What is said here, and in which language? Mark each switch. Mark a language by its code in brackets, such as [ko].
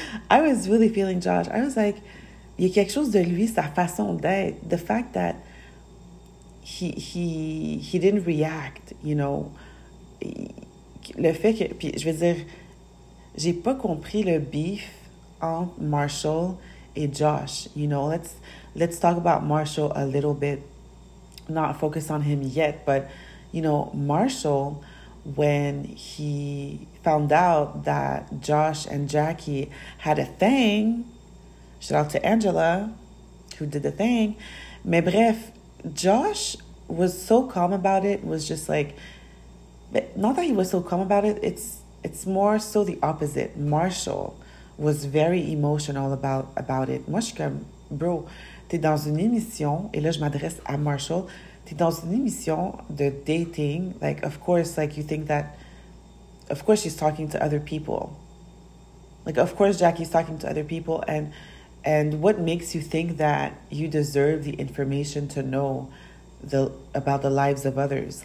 [en] I was like, [fr] il y a quelque chose de lui, sa façon d'être. [en] The fact that he didn't react, you know. [fr] Le fait que, puis je veux dire, j'ai pas compris le beef entre Marshall et Josh. [en] You know, let's talk about Marshall a little bit. Not focus on him yet, but, you know, Marshall, when he found out that Josh and Jackie had a thing, shout out to Angela, who did the thing. [fr] Mais bref, [en] Josh was so calm about it, was just like, not that he was so calm about it, it's more so the opposite. Marshall was very emotional about it. [fr] Moi, je suis comme, [en] bro, [fr] t'es dans une émission, et là, je m'adresse à Marshall. T'es dans une émission de dating. [en] Like, of course, like, you think that, of course, she's talking to other people. Like, of course, Jackie's talking to other people. And what makes you think that you deserve the information to know about the lives of others?